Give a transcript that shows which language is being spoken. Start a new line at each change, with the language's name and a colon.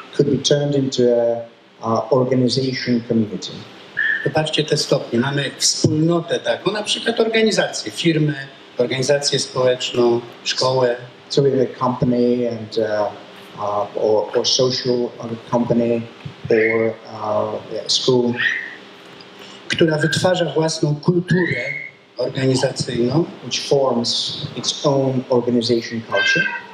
English: Could be turned into a organization community.
Polish: Popatrzcie te stopnie. Mamy wspólnotę taką, na przykład organizację, firmę, organizację społeczną, szkołę.
English: So we have a company and or social company or school,
Polish: która wytwarza własną kulturę organizacyjną,
English: which forms its own organization culture.